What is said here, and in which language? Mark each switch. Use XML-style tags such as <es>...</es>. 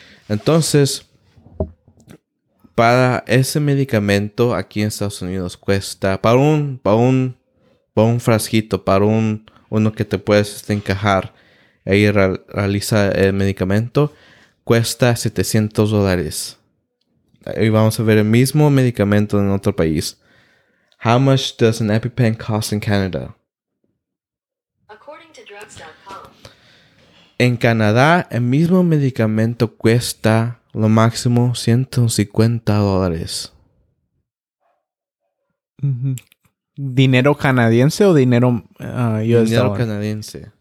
<es>Entonces, para ese medicamento aquí en Estados Unidos cuesta para un frasquito, para uno que te puedes encajar y realiza el medicamento, cuesta $700. Y vamos a ver el mismo medicamento en otro país.</es> <en>How much does an EpiPen cost in Canada? According to drugstore.</en> <es>En Canadá, el mismo medicamento cuesta lo máximo $150. ¿Dinero canadiense o dinero US? Dinero canadiense.</es>